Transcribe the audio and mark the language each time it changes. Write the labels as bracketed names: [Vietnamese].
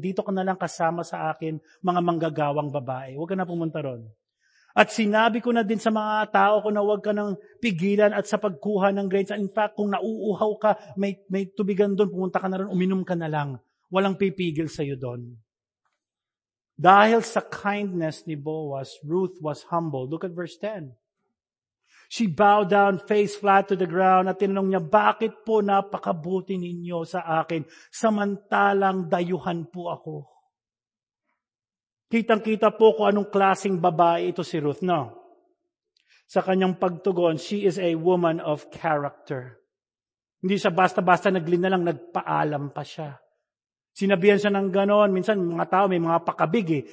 [Filipino] Dito ka na lang kasama sa akin, mga manggagawang babae. Huwag ka na pumunta ron. At sinabi ko na din sa mga tao ko na huwag ka nang pigilan at sa pagkuha ng grain. In fact, kung nauuhaw ka, may tubigan doon, pumunta ka na ron, uminom ka na lang. Walang pipigil sa iyo doon. Dahil sa [English] kindness ni Boaz, Ruth was humble. Look at verse 10. She bowed down face flat to the ground [Filipino] at tinanong niya, bakit po napakabuti ninyo sa akin samantalang dayuhan po ako? Kitang-kita po kung anong klaseng babae ito si Ruth, no? Sa kanyang pagtugon, [English] she is a woman of character. [Filipino] Hindi siya basta-basta naglin na lang, nagpaalam pa siya. Sinabihan siya ng gano'n. Minsan, mga tao may mga pakabig eh.